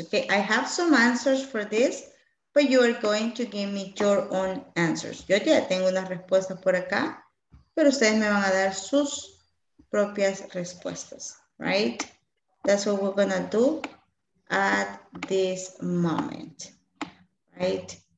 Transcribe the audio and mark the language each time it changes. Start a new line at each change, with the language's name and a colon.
English: Okay, I have some answers for this, but you are going to give me your own answers.
Spanish: Yo ya tengo unas respuestas por acá, pero ustedes me van a dar sus propias respuestas,
English: right? That's what we're gonna do at this moment, right?